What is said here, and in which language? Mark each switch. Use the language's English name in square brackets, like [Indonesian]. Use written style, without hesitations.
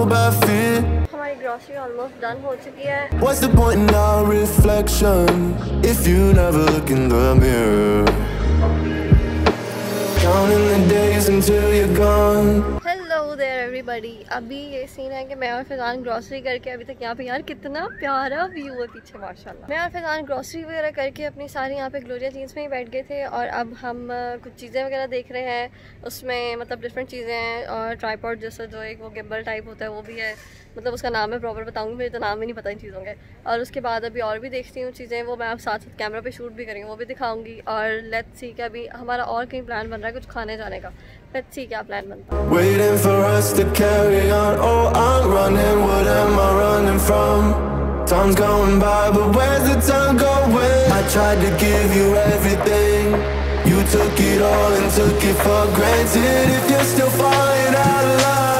[Hindi] हमारी grocery almost done हो चुकी है. [English] What's the point in our reflection if you never look in the mirror? Counting the days until you're gone. [Hindi] Everybody, अभी ये scene है कि मैं और फैजान ग्रॉसरी करके अभी तक यहाँ पे, यार कितना प्यारा व्यू है पीछे माशाल्लाह. मैं और फैजान ग्रॉसरी वगैरह करके अपनी सारी यहाँ पे ग्लोरिया जीन्स में ही बैठ गए थे और अब हम कुछ चीज़ें वगैरह देख रहे हैं. उसमें मतलब डिफरेंट चीज़ें हैं और ट्राईपॉड जैसा जो एक वो गिम्बल टाइप होता है वो भी है. मतलब उसका नाम मैं प्रॉपर बताऊँगी, मुझे तो नाम ही नहीं पता इन चीज़ों के. और उसके बाद अभी और भी देखती हूँ चीज़ें, वो मैं आप साथ साथ कैमरा पे शूट भी करी हूँ, वो भी दिखाऊंगी. और [English] let's see [Hindi] कि अभी हमारा और कहीं प्लान बन रहा है कुछ खाने जाने का. [English] let's see [Hindi] क्या प्लान बनता है. [English] Waiting for us to carry on. Oh, I'm running, what am I running from? Time's going by, but where's the time going? I tried to give you everything. You took it all and took it for granted. If you're still falling out of love.